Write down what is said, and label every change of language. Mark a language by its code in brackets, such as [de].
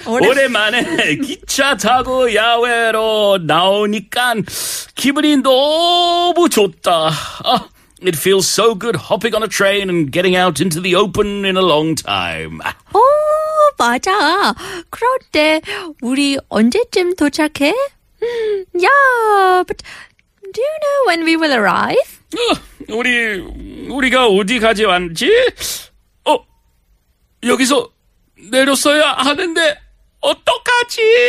[ko] 오랜만에 기차 타고 야외로 나오니까 기분이 너무 좋다. [en] It feels so good hopping on a train and getting out into the open in a long time. [ko] 오, 맞아. 그런데 우리 언제쯤 도착해? [en] Yeah, but do you know when we will arrive? [ko] 우리가 어디 가지 왔지? 여기서 내렸어야 하는데 어떡하지?